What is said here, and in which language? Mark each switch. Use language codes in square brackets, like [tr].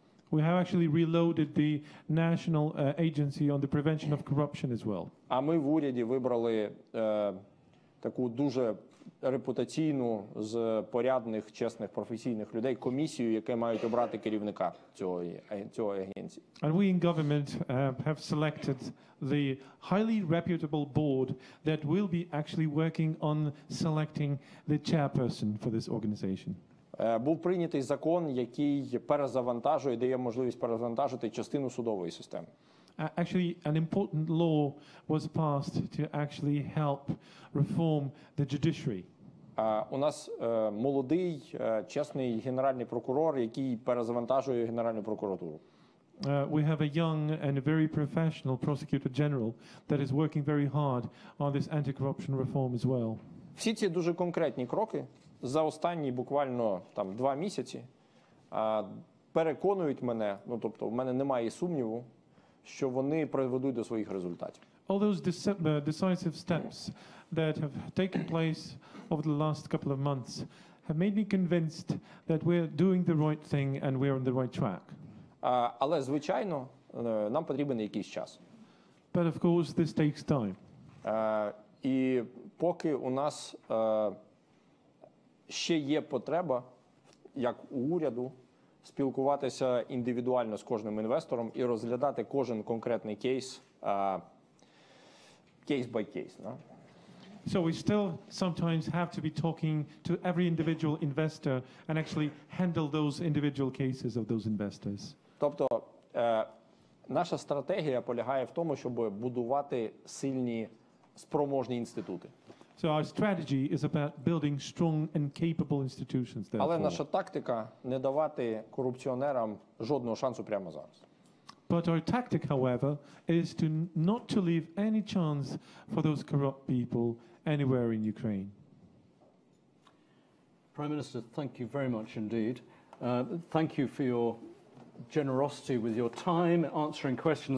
[en] We have actually reloaded the national agency on the prevention of corruption as well. [uk] А ми в уряді вибрали таку дуже репутаційну з порядних, чесних, професійних людей комісію, яке мають обрати керівника цього агенції. [en] And we in government have selected the highly reputable board that will be actually working on selecting the chairperson for this organization. [uk] Був прийнятий закон, який перезавантажує, дає можливість перезавантажити частину судової системи. [en] Actually, an important law was passed to actually help reform the judiciary. [uk] У нас молодий, чесний генеральний прокурор, який перезавантажує Генеральну прокуратуру. [en] We have a young and a very professional prosecutor general that is working very hard on this anti-corruption reform as well. [uk] Всі ці дуже конкретні кроки за останні буквально там два місяці переконують мене, тобто в мене немає сумніву, що вони приведуть до своїх результатів. [en] All those decisive steps that have taken place over the last couple of months have made me convinced that we're doing the right thing and we're on the right track. [uk] Але, звичайно, нам потрібен якийсь час. [en] But of course this takes time. [uk] І поки у нас ще є потреба, як у уряду, спілкуватися індивідуально з кожним інвестором і розглядати кожен конкретний кейс, кейс-бай-кейс. [en] So we still sometimes have to be talking to every individual investor and actually handle those individual cases of those investors. [uk] Тобто, наша стратегія полягає в тому, щоб будувати сильні спроможні інститути. [en] So our strategy is about building strong and capable institutions, therefore. [uk] Але наша тактика – не давати корупціонерам жодного шансу прямо зараз. [en] But our tactic, however, is to not to leave any chance for those corrupt people anywhere in Ukraine. Prime Minister, thank you very much indeed. Thank you for your generosity with your time answering questions.